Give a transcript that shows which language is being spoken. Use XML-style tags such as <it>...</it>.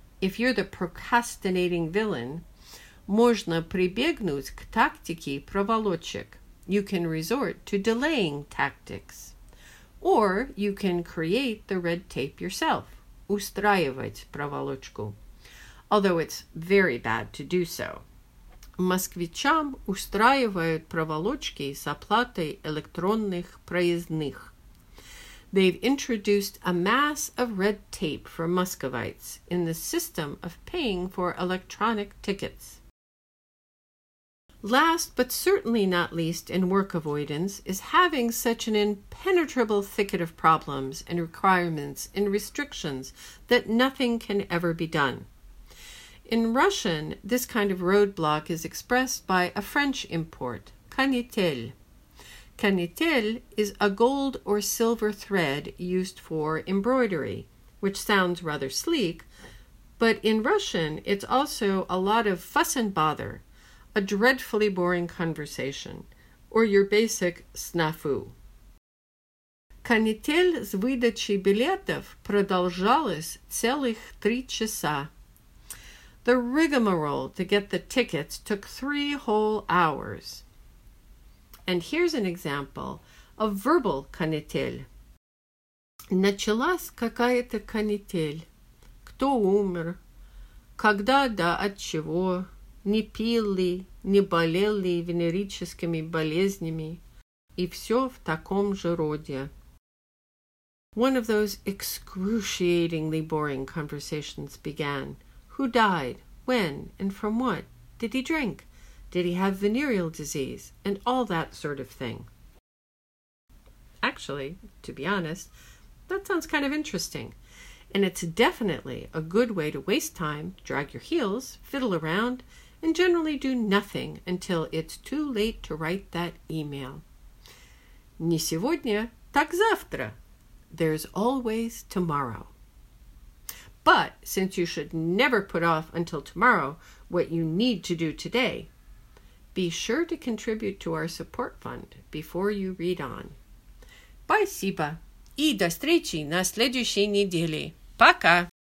<en>If you're the procrastinating villain,</en> <ru>можно прибегнуть к тактике проволочек.</ru> <en>You can resort to delaying tactics. Or you can create the red tape yourself,</en> <ru>устраивать проволочку,</ru> <en>although it's very bad to do so.</en> <ru>Москвичам устраивают проволочки с оплатой электронных проездных.</ru> <en>They've introduced a mass of red tape for Muscovites in the system of paying for electronic tickets. Last but certainly not least in work avoidance is having such an impenetrable thicket of problems and requirements and restrictions that nothing can ever be done. In Russian, this kind of roadblock is expressed by a French import, canitel. Canitel is a gold or silver thread used for embroidery, which sounds rather sleek, but in Russian, it's also a lot of fuss and bother, a dreadfully boring conversation, or your basic snafu.</en> <ru>Канитель с выдачей билетов продолжалась целых 3 часа.</ru> <en>The rigmarole to get the tickets took 3 whole hours. And here's an example of verbal канитель.</en> <ru>Началась какая-то канитель. Кто умер? Когда да от чего? Не пил ли, не болел ли венерическими болезнями? И все в таком же роде.</ru> <en>One of those excruciatingly boring conversations began. Who died? When? And from what? Did he drink? Did he have venereal disease? And all that sort of thing. Actually, to be honest, that sounds kind of interesting. And it's definitely a good way to waste time, drag your heels, fiddle around, and generally do nothing until it's too late to write that email.</en> <ru>Не сегодня, так завтра.</ru> <en>There's always tomorrow. But since you should never put off until tomorrow what you need to do today, be sure to contribute to our support fund before you read on.</en> <ru>Спасибо. И до встречи на следующей неделе. Пока.</ru>